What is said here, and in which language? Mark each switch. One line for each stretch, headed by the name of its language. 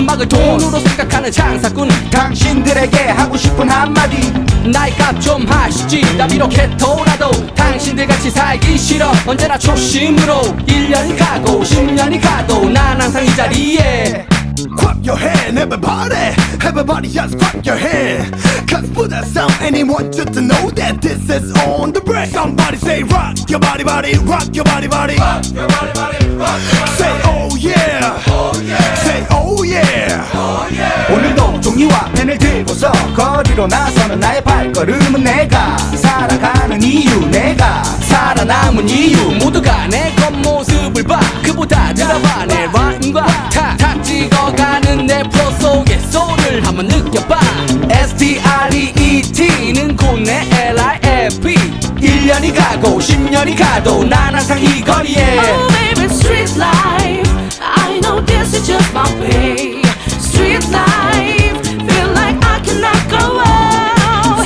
Korean: 음악을 돈으로 생각하는 장사꾼 당신들에게 하고 싶은 한마디 나의 값 좀 하시지 나 비록 해토라도 당신들 같이 살기 싫어 언제나 초심으로 1년이 가고 10년이 가도 난 항상 이 자리에
English: Clap your hand, everybody. Everybody just clap your hand. Cause Buda Sound, anyone just to know that this is on the break. Somebody say rock your body, body, rock your body, body. Rock your body, body, rock your body, body. Say oh yeah. Oh yeah. Say oh yeah. Oh yeah.
Korean: 오늘도 종이와 펜을 들고서 거리로 나서는 나의 발걸음은 내가 살아가는 이유, 내가 살아남은 이유. 모두가 내 겉모습을 봐. 그보다 들어봐 내 rhyme과 탁탁 찍어. 가는 내 프로 속에 소울을 한번 느껴봐 S.T.R.E.E.T는 곧 내 L.I.F.E 1년이 가고 10년이 가도 난 항상 이 거리에
English: Oh baby street life I know this is just my way Street life Feel like I cannot go on